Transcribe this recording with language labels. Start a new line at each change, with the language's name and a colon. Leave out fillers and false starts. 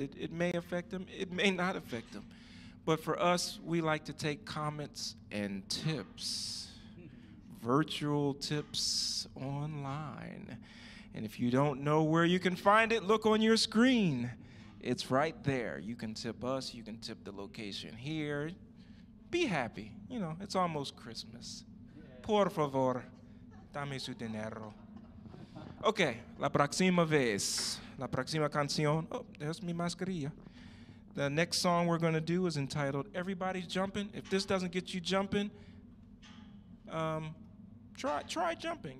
English: It may affect them. It may not affect them. But for us, we like to take comments and tips, virtual tips online. And if you don't know where you can find it, look on your screen. It's right there. You can tip us. You can tip the location here. Be happy. You know, it's almost Christmas.
Spanish: Por favor, dame su dinero. Okay, la próxima vez, la próxima canción.
English: Oh, there's
Spanish: mi mascarilla.
English: The next song we're going to do is entitled Everybody's Jumping. If this doesn't get you jumping, try jumping.